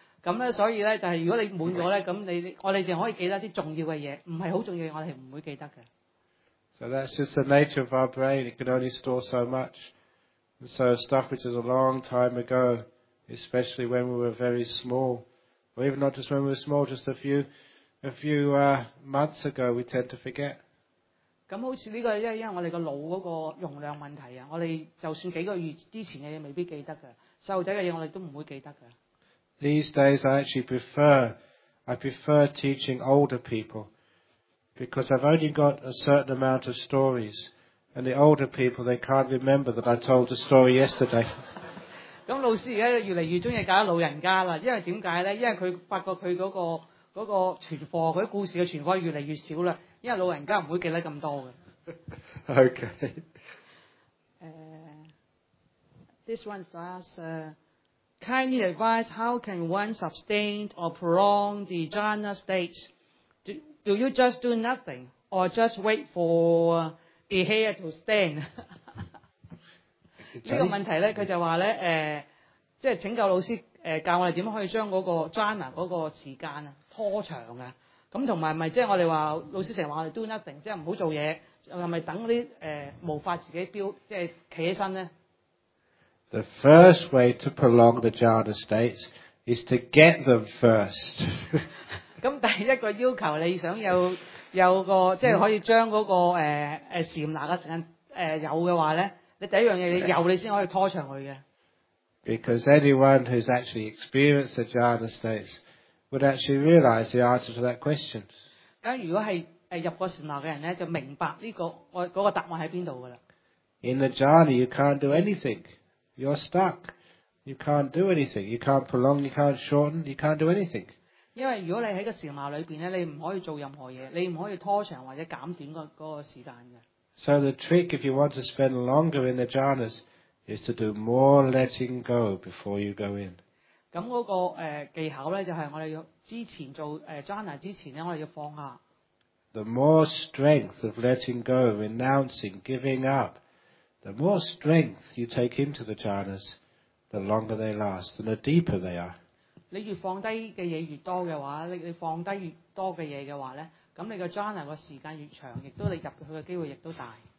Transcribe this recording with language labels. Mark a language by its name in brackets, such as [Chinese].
[Cantonese] 咁咧，所以咧就係如果你滿咗咧，咁我哋就可以記得啲重要嘅嘢，唔係好重要，我哋唔會記得嘅。 [English] So that's just the nature of our brain. It can only store so much. And so stuff which is a long time ago, especially when we were very small, or even not just when we were small, just a few months ago, we tend to forget. [Cantonese] 咁好似呢個，因為我哋個腦嗰個容量問題啊，我哋就算幾個月之前嘅嘢未必記得嘅，細路仔嘅嘢我哋都唔會記得嘅。 [English] These days I actually prefer teaching older people because I've only got a certain amount of stories, and the older people they can't remember that I told a story yesterday. [Cantonese] 咁老師而家越嚟越中意教老人家啦，因為點解咧？因為佢發覺佢嗰個存貨，佢故事嘅存貨越嚟越少啦。因為老人家唔會記得咁多嘅。 OK。 [English] This one asks, kindly advise how can one sustain or prolong the jhana state? Do you just do nothing or just wait for the hair to stand? [Cantonese] 呢個問題咧，佢就話咧，即係請教老師教我哋點樣可以將嗰個 jhana 嗰個時間啊拖長啊。咁同埋咪即係我哋話老師成日話我哋 [English] do nothing， [Cantonese] 即係唔好做嘢，係咪等啲無法自己標即係企起身咧 [English] ？The first way to prolong the jhana states is to get them first 。 [Cantonese] 咁第一個要求你想有個即係可以將嗰、那個禪那嘅時間有嘅話咧，你第一樣嘢有你先可以拖長佢嘅。 [English] Because anyone who's actually experienced the jhana states. Would actually realize the answer to that question. [Cantonese] 咁如果係入過禪那嘅人咧，就明白嗰個答案喺邊度噶啦。 [English] In the jhana, you can't do anything. You're stuck. You can't do anything. You can't prolong. You can't shorten. You can't do anything. [Cantonese] 因為如果你喺個禪那裏邊咧，你唔可以做任何嘢，你唔可以拖長或者減短嗰個時間嘅。 [English] So the trick, if you want to spend longer in the jhanas, is to do more letting go before you go in. [Cantonese] 咁嗰個技巧咧，就係我哋要之前做jhana之前咧，我哋要放下。 [English] The more strength of letting go, renouncing, giving up, the more strength you take into the jhanas, the longer they last and the deeper they are. [Cantonese] 你越放低嘅嘢越多嘅話，你放低越多嘅嘢嘅話咧，咁你個jhana個時間越長，亦都你入去嘅機會亦都大。